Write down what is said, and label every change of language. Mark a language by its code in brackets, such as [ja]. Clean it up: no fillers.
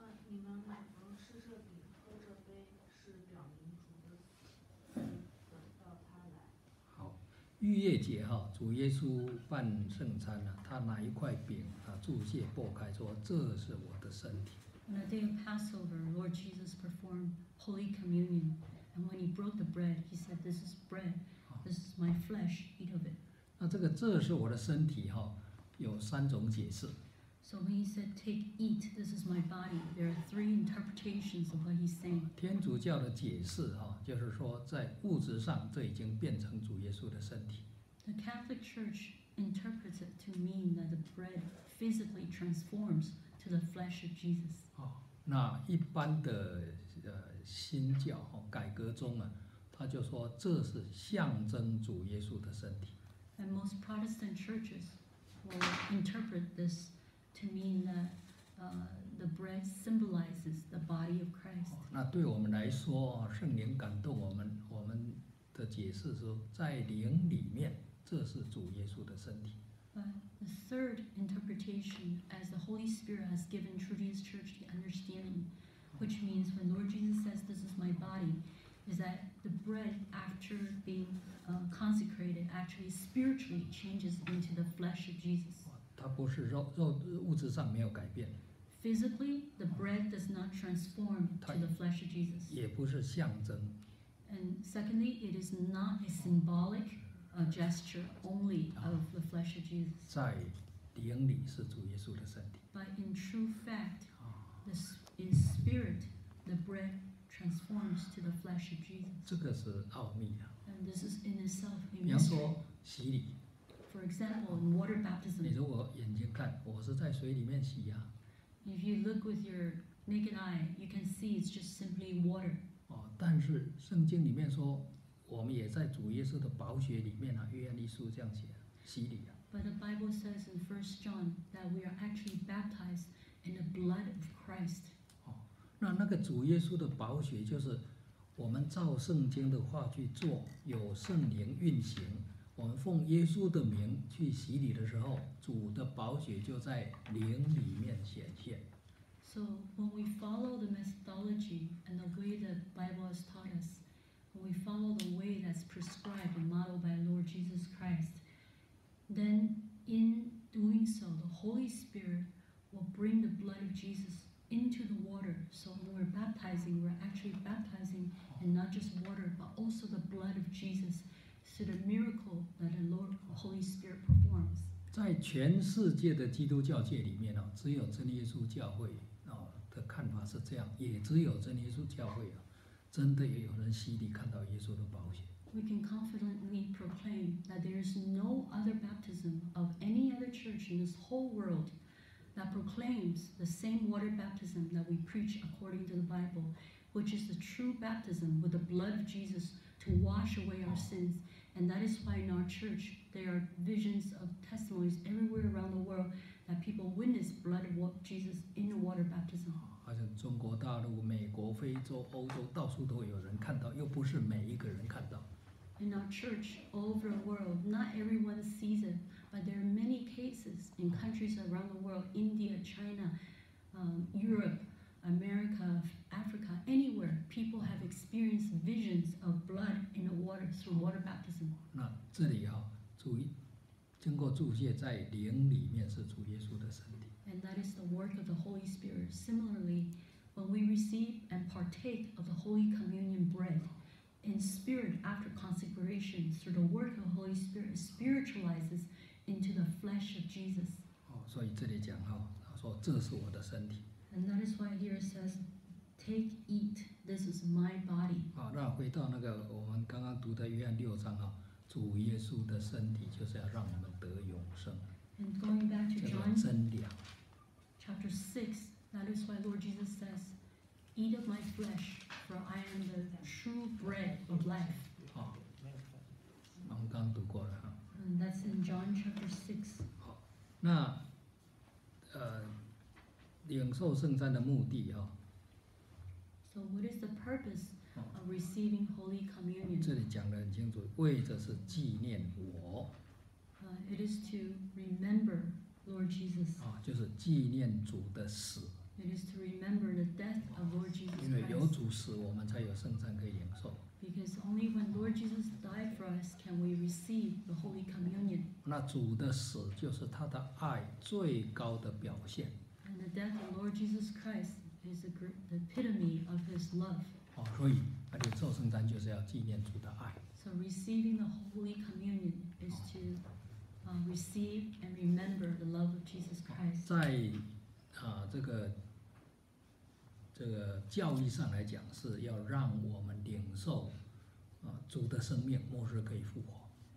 [zh] 你们买房吃这饼，喝这杯，是表明主的死，等到他来。好。逾越节哈，主耶稣办圣餐了，他拿一块饼啊，祝谢擘开说：“这是我的身体。” [en] On the day of Passover, Lord Jesus performed Holy Communion, and when he broke the bread, he said, "This is bread, this is my flesh, eat of it." [zh] 那这个“这是我的身体”哈，有三种解释。 [en] So when he said, "Take, eat, this is my body," there are three interpretations of what he's saying. [zh] 天主教的解释哈，就是说在物质上这已经变成主耶稣的身体。 [en] The Catholic Church interprets it to mean that the bread physically transforms to the flesh of Jesus. [zh] 那一般的新教哈改革中啊，他就说这是象征主耶稣的身体。 [en] And most Protestant churches will interpret this. To mean that the bread symbolizes the body of Christ. [zh] 那对我们来说，圣灵感动我们，我们的解释说，在灵里面，这是主耶稣的身体。 [en] The third interpretation, as the Holy Spirit has given Trinity's Church the understanding, which means when Lord Jesus says, "This is my body," is that the bread, after being consecrated, actually spiritually changes into the flesh of Jesus. [zh] 它不是肉物质上没有改变。 [en] Physically, the bread does not transform to the flesh of Jesus. [zh] 也不是象征。 [en] And secondly, it is not a symbolic gesture only of the flesh of Jesus. [zh] 在灵里是主耶稣的身体。 [en] But in true fact, in spirit, the bread transforms to the flesh of Jesus. [zh] 这个是奥秘啊。 [en] And this is in itself a mystery. [zh] 比方说洗礼。 [en] For example, in water baptism. [zh] 你如果眼睛看，我是在水里面洗呀。 [en] If you look with your naked eye, you can see it's just simply water. [zh] 哦，但是圣经里面说，我们也在主耶稣的宝血里面啊，约翰一书这样写，洗礼啊。 [en] But the Bible says in 1 John that we are actually baptized in the blood of Christ. [zh] 哦，那个主耶稣的宝血就是我们照圣经的话去做，有圣灵运行。我们奉耶稣的名去洗礼的时候，主的宝血就在灵里面显现。 [en] So when we follow the methodology and the way the Bible has taught us, when we follow the way that's prescribed and modeled by Lord Jesus Christ, then in doing so, the Holy Spirit will bring the blood of Jesus into the water. So when we're baptizing, we're actually baptizing in not just water, but also the blood of Jesus. To the miracle that the Lord Holy Spirit performs. [zh] 在全世界的基督教界里面只有真耶稣教会的看法是这样，也只有真耶稣教会真的也有人洗礼看到耶稣的宝血。 [en] We can confidently proclaim that there is no other baptism of any other church in this whole world that proclaims the same water baptism that we preach according to the Bible, which is the true baptism with the blood of Jesus to wash away our sins. And that is why in our church, there are visions of testimonies everywhere around the world that people witness blood of Jesus in the water baptism. [zh] 好像中国大陆、美国、非洲、欧洲，到处都有人看到，又不是每一个人看到。 [en] In our church, all over the world, not everyone sees it, but there are many cases in countries around the world, India, China, Europe, America, Africa, anywhere, people have experienced visions of blood in the water through water baptism. [zh] 那这里主经过注解在灵里面是主耶稣的身体。 [en] And that is the work of the Holy Spirit. Similarly, when we receive and partake of the Holy Communion bread in spirit after consecration through the work of the Holy Spirit, spiritualizes into the flesh of Jesus. [zh] 所以这里讲他说这是我的身体。 [en] And that is why here it says, "Take, eat. This is my body." [zh] 好，那回到那个我们刚刚读的约翰六章主耶稣的身体就是要让我们得永生。 [en] And going back to John, [zh] 真粮 [en] chapter 6, that is why Lord Jesus says, "Eat of my flesh, for I am the true bread of life." [zh] 好，我们刚读过了。 [en] And that's in John chapter 6. [zh] 好，那领受圣餐的目的 [en] So what is the purpose of receiving Holy Communion? [zh] 这里讲得很清楚，为的是纪念我。 [en] It is to remember Lord Jesus. [zh] 就是纪念主的死。 [en] It is to remember the death of Lord Jesus Christ. [zh] 因为有主死，我们才有圣餐可以领受。 [en] Because only when Lord Jesus died for us can we receive the Holy Communion. [zh] 那主的死就是他的爱最高的表现。 [en] And the death of Lord Jesus Christ is the epitome of His love. [zh] 所以领受圣餐就是要纪念主的爱。 [en] So receiving the Holy Communion is to receive and remember the love of Jesus Christ. [zh] 在这个教义上来讲，是要让我们领受主的生命，末日可以复活。